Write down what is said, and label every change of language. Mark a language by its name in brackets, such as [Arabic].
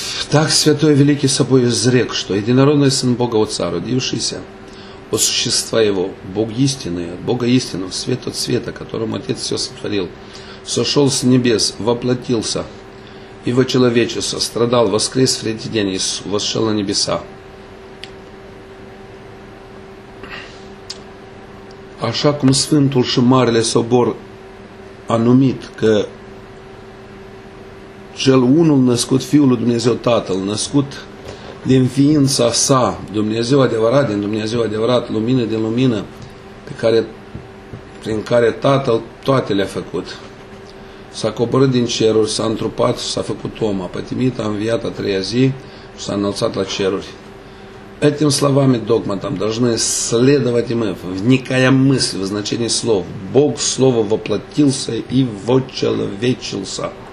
[Russian] Так святой великий собой изрек, что единородный Сын Бога Отца, родившийся от существа Его, Бог истинный, от Бога истинного, свет от света, которым Отец все сотворил, сошел с небес, воплотился, и во человечество страдал, воскрес в третий день и восшел на небеса. [Romanian] Așa cum Sfântul și Marele Sobor a numit că cel unul născut Fiul lui Dumnezeu Tatăl, născut din ființa sa, Dumnezeu adevărat, din Dumnezeu adevărat, lumină din lumină, prin care Tatăl toate le-a făcut. S-a coborât din ceruri, s-a întrupat, s-a făcut om, a pătimit, a înviat a treia zi și s-a înălțat la ceruri. [Russian] Этим словами, догматам, должны следовать и мы, вникая в мысль, в значение слов. Бог Слово воплотился и вочеловечился.